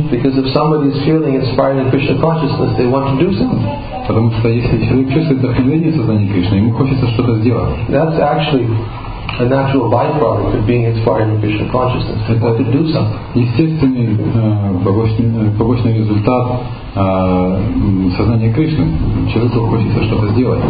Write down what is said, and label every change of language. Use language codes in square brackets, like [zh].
[en] Because if somebody is feeling inspired in Krishna consciousness, they want to do something. [ru] Потому что если человек чувствует вдохновение сознания Кришны, ему хочется что-то сделать. [en] That's actually a natural byproduct of being inspired in Krishna consciousness. They want to do something. [ru] Естественный побочный результат сознания Кришны. Человеку хочется что-то сделать.